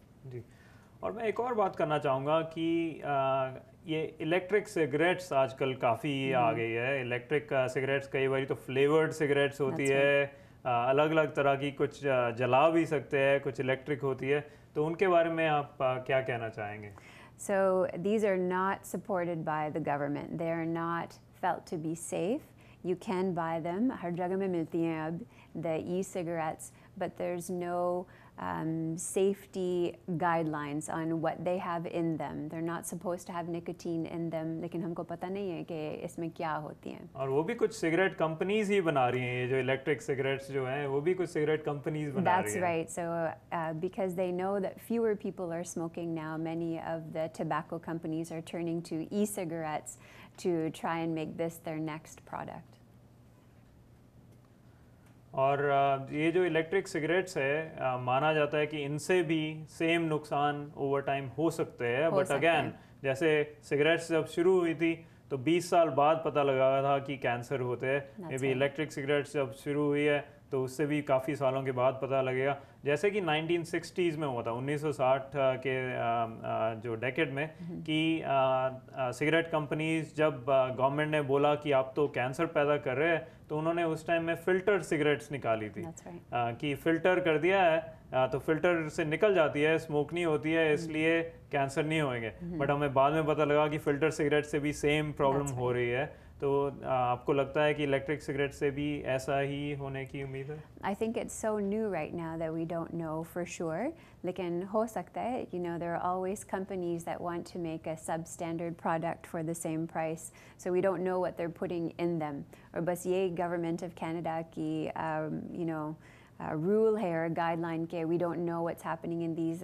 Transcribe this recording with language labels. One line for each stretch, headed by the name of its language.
Hindi: जी, और मैं एक और बात करना चाहूँगा कि ये इलेक्ट्रिक सिगरेट्स आजकल काफ़ी आ गई है. इलेक्ट्रिक सिगरेट्स कई बार तो फ्लेवर्ड सिगरेट्स होती है, अलग अलग तरह की, कुछ जला भी सकते हैं, कुछ इलेक्ट्रिक होती है, तो उनके बारे में आप क्या कहना चाहेंगे?
English: So these are not supported by the government. They are not felt to be safe. You can buy them.
Hindi: Har jagah mein milti hain ab
English: the e-cigarettes, but there's no safety guidelines on what they have in them. They're not supposed to have nicotine in them.
Hindi: लेकिन हमको पता नहीं है कि इसमें क्या होती हैं. और वो भी कुछ सिगरेट कंपनीज ही बना रही हैं ये जो इलेक्ट्रिक सिगरेट्स जो हैं वो भी कुछ सिगरेट कंपनीज बना रही हैं.
English: That's right. So because they know that fewer people are smoking now, many of the tobacco companies are turning to e-cigarettes to try and make this their next product.
Hindi: और ये जो electric cigarettes है माना जाता है कि इनसे भी सेम नुकसान ओवर टाइम हो सकते हैं बट अगेन जैसे सिगरेट्स जब शुरू हुई थी तो 20 साल बाद पता लगा था कि कैंसर होते हैं मे बी इलेक्ट्रिक सिगरेट्स जब शुरू हुई है तो उससे भी काफ़ी सालों के बाद पता लगेगा जैसे कि 1960s में हुआ था 1960 के जो डेकेड में कि सिगरेट कंपनीज जब गवर्नमेंट ने बोला कि आप तो कैंसर पैदा कर रहे हैं तो उन्होंने उस टाइम में फिल्टर सिगरेट्स निकाली थी कि फिल्टर कर दिया है तो फिल्टर से निकल जाती है स्मोक नहीं होती है इसलिए कैंसर नहीं होंगे बट हमें बाद में पता लगा कि फिल्टर सिगरेट से भी सेम प्रॉब्लम हो रही है तो आपको लगता है कि इलेक्ट्रिक सिगरेट से भी ऐसा ही होने की उम्मीद है?
English: I think it's so new right now that we don't know for sure.
Hindi: लेकिन हो सकता है,
English: you know, there are always companies that want to make a substandard product for the same price. So we don't know what they're putting in them.
Hindi: और बस ये government of Canada की, you know, rule hai or guideline ke
English: we don't know what's happening in these.